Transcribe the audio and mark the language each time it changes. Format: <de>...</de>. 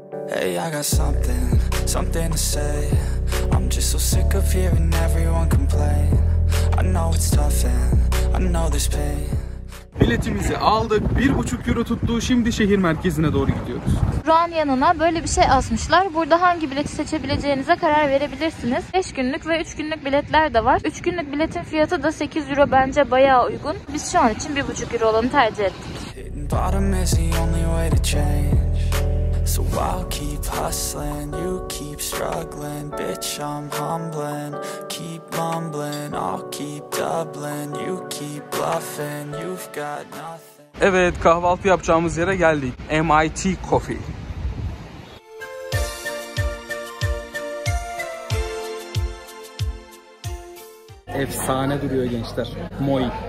<en>Hey, I got something to say. I'm just so sick of hearing everyone complain. I know it's tough and I know there's pain.</en> <tr>Biletimizi aldık. 1,5 euro tuttu. Şimdi şehir merkezine doğru gidiyoruz. Durağın yanına böyle bir şey asmışlar. Burada hangi bileti seçebileceğinize karar verebilirsiniz. 5 günlük ve 3 günlük biletler de var. 3 günlük biletin fiyatı da 8 euro, bence bayağı uygun. Biz şu an için 1,5 euro olanı tercih ettik.</tr> <en>Bottom is the only way to change. So I'll keep hustling, you keep struggling, bitch I'm humbling, keep mumbling, I'll keep doubling, you keep bluffing, you've got nothing.</en> <tr>Evet, kahvaltı yapacağımız yere geldik. MIT Coffee. Efsane duruyor gençler. Moi.</tr>